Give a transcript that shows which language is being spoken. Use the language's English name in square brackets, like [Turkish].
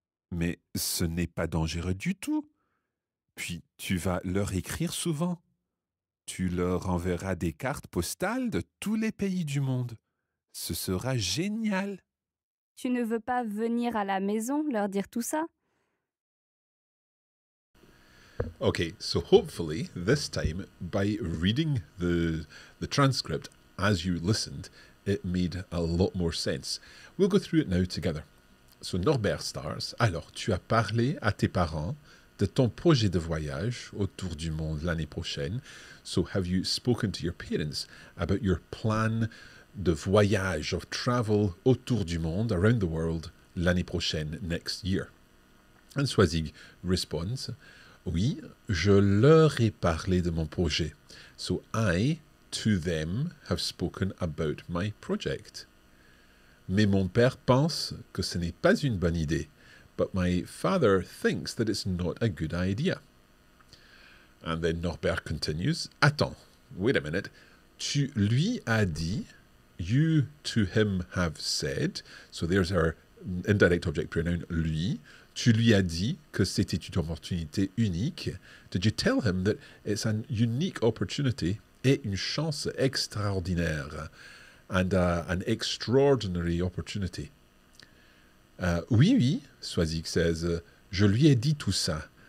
[French] Mais ce n'est pas dangereux du tout. Puis tu vas leur écrire souvent. Tu leur enverras des cartes postales de tous les pays du monde. Ce sera génial. Tu ne veux pas venir à la maison leur dire tout ça? [English] Okay, so hopefully this time by reading the transcript as you listened, it made a lot more sense. We'll go through it now together. So Norbert starts, [French] alors tu as parlé à tes parents de ton projet de voyage autour du monde l'année prochaine. [English] So have you spoken to your parents about your [French] plan de voyage, [English] of travel [French] autour du monde, [English] around the world, [French] l'année prochaine, [English] next year? And Soizig responds, [French] oui, je leur ai parlé de mon projet. [English] So I, to them, have spoken about my project. [French] Mais mon père pense que ce n'est pas une bonne idée. [English] But my father thinks that it's not a good idea. And then Norbert continues, [French] attends, [English] wait a minute. [French] Tu lui as dit, [English] you to him have said, so there's our indirect object pronoun, lui. [French] Tu lui as dit que c'était une opportunité unique. [English] Did you tell him that it's a unique opportunity [French] et une chance extraordinaire, [English] and an extraordinary opportunity? [French] Oui, [English] Soizig says, [French] je lui ai dit tout ça.